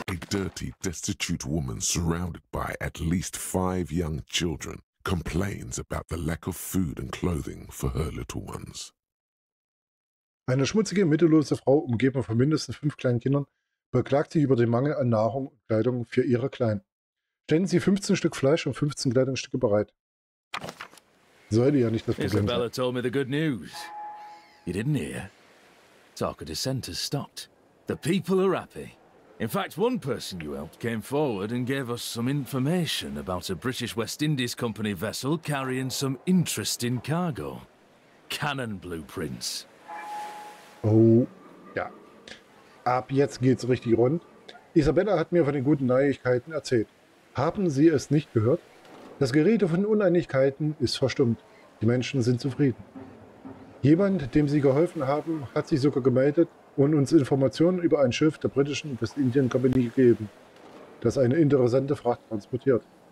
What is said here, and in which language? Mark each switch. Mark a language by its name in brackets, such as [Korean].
[English] Dirty, destitute woman surrounded by at least 5 young children complains about the lack of food and clothing for her little ones. [German] Eine schmutzige, mittellose Frau, umgeben von mindestens 5 kleinen Kindern, beklagt sich über den Mangel an Nahrung und Kleidung für ihre Kleinen. Stellen Sie 15 Stück Fleisch und 15 Kleidungsstücke bereit. Sollte ja nicht das Problem sein. [English] Isabella told me the good news. You didn't hear? Talk of dissent has stopped. The people are happy. In fact, one person you helped came forward and gave us some information about a British West Indies Company vessel carrying some interesting cargo. Cannon blueprints. [German] Oh, ja. Ab jetzt geht's richtig rund. Isabella hat mir von den guten Neuigkeiten erzählt. Haben Sie es nicht gehört? Das Gerede von Uneinigkeiten ist verstummt. Die Menschen sind zufrieden. Jemand, dem Sie geholfen haben, hat sich sogar gemeldet, und uns Informationen über ein Schiff der britischen Westindien Company gegeben, das eine interessante Fracht transportiert.